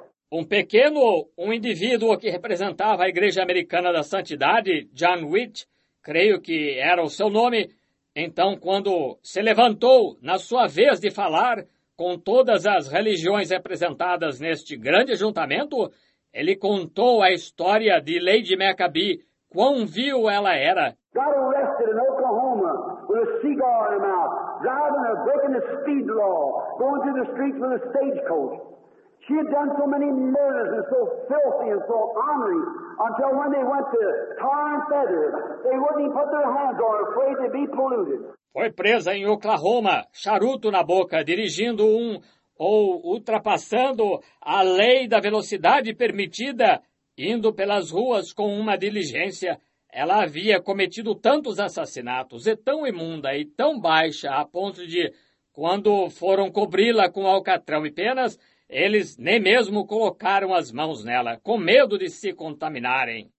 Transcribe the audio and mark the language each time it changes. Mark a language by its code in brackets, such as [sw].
[pt] Um pequeno, um indivíduo que representava a Igreja Americana da Santidade, John Witt, creio que era o seu nome, então quando se levantou na sua vez de falar com todas as religiões representadas neste grande ajuntamento, ele contou a história de Lady Maccabee, quão vil ela era. [en] Got arrested in Oklahoma with a cigar in her mouth, driving her, breaking the speed law, going through the streets with a stagecoach. She had done so many murders and so filthy and so honoring until when they went to tar and feather, they wouldn't even put their hands on her, afraid to be polluted. [pt] Foi presa em Oklahoma, charuto na boca, dirigindo um ou ultrapassando a lei da velocidade permitida, indo pelas ruas com uma diligência. Ela havia cometido tantos assassinatos, e tão imunda e tão baixa, a ponto de, quando foram cobri-la com alcatrão e penas, eles nem mesmo colocaram as mãos nela, com medo de se contaminarem.